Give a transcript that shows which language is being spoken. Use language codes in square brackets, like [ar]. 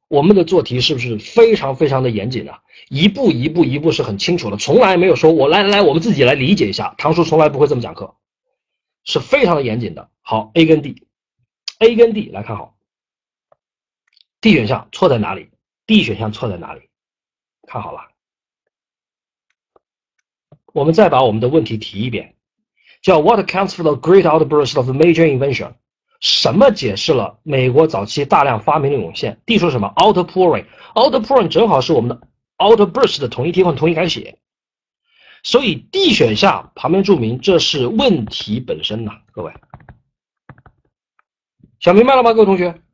[zh] 我们的做题是不是非常非常的严谨啊？一步一步一步是很清楚的，从来没有说我来来来，我们自己来理解一下。唐叔从来不会这么讲课，是非常的严谨的。好，A 跟 D，A 跟 D 来看好。D 选项错在哪里？D 选项错在哪里？看好了，我们再把我们的问题提一遍，叫 [en] "What accounts for the great outburst of major invention？" [zh] 什么解释了美国早期大量发明的涌现？D 说什么？Outpouring，Outpouring 正好是我们的 outburst 的同义替换、同义改写，所以 D 选项旁边注明这是问题本身呐、啊，各位，想明白了吗？各位同学？